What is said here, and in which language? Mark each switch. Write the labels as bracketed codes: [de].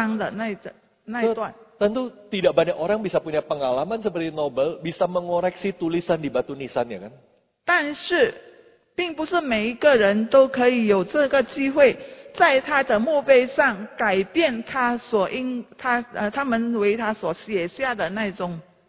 [zh] 所以每一个人都有机会在他这个墓碑上写上他在那边有重新有一个改变新生命新的生命篇章的那一段。 [id] Tentu tidak banyak orang bisa punya pengalaman seperti Nobel bisa mengoreksi tulisan di batu nisannya kan? [zh] 但是并不是每一个人都可以有这个机会在他的墓碑上改变他们为他所写下的那种。